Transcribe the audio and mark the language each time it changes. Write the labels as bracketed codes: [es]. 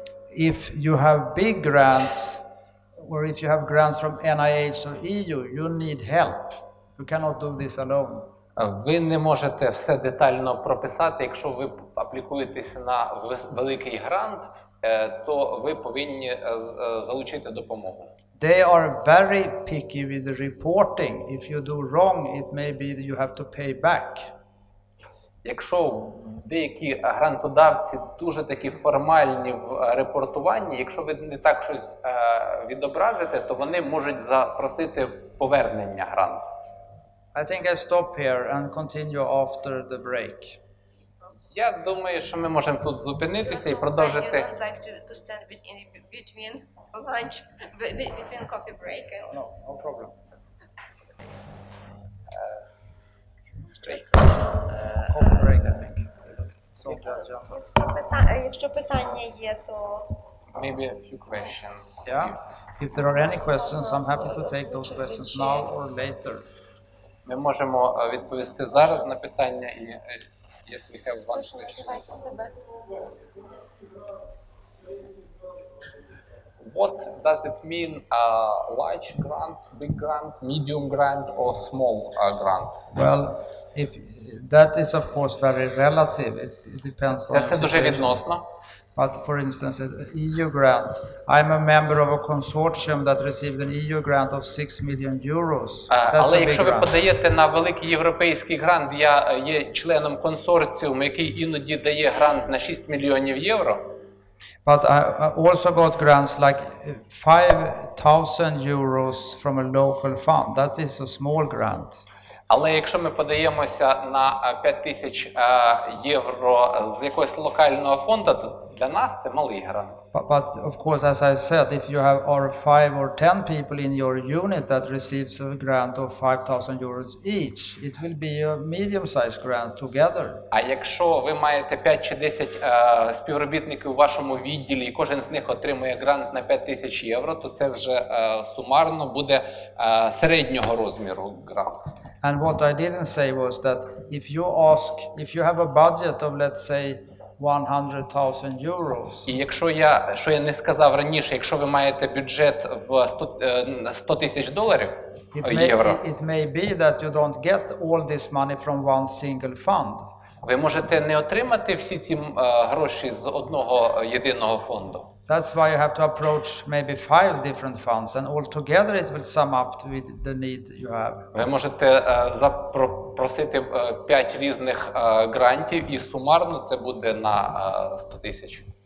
[en] if you have big grants, or if you have grants from NIH or EU, you need help. You cannot do this alone. [uk] Ви не можете все детально прописати, якщо ви аплікуєтеся на великий грант, то ви повинні залучити допомогу. [en] They are very picky with the reporting. If you do wrong, it may be that you have to pay back. [uk] Якщо деякі грантодавці дуже такі формальні в репортуванні, якщо ви не так щось відобразите, то вони можуть запросити повернення гранту. [en] I think I stop here and continue after the break. [uk] Я думаю, що ми можемо тут зупинитися і продовжити. [en] I would like to stand in between lunch, between coffee break and... No problem. Coffee break, I think. [uk] Якщо питання є, то... [en] Maybe a few questions. Yeah. If there are any questions, I'm happy to take those questions now or later. [uk] Ми можемо відповісти зараз на питання, і якщо ви хочете бачити себе. [en] What does it mean a large grant, big grant, medium grant or small grant? Well, if that is of course very relative, it depends on. [uk] Це дуже відносно. [en] But for instance, an EU grant. I'm a member of a consortium that received an EU grant of 6 million euros. That's [uk] але якщо [en] a big [uk] ви подаєте на великий європейський грант, я є членом консорціуму, який іноді дає грант на 6 мільйонів євро. [en] But I also got grants like 5,000 euros from a local fund. That is a small grant. [uk] Але якщо ми подаємося на 5000 євро з якогось локального фонду, то для нас це малий грант. [en] But of course, as I said, if you have or 5 or 10 people in your unit that receives a grant of 5,000 euros each, it will be a medium-sized grant together. [uk] А якщо ви маєте 5 чи 10 співробітників у вашому відділі, і кожен з них отримує грант на 5000 євро, то це вже сумарно буде середнього розміру грант. [en] And what I didn't say was that if you ask, if you have a budget of, let's say, 100,000 euros. [uk] І якщо я, що я не сказав раніше, якщо ви маєте бюджет в 100 тисяч доларів, євро. [en] It may be that you don't get all this money from one single fund. [uk] Ви можете не отримати всі ці гроші з одного єдиного фонду. [en] That's why you have to approach maybe 5 different funds and all together it will sum up with the need you have. [uk] Ви можете запросити 5 різних грантів і сумарно це буде на 100 тисяч.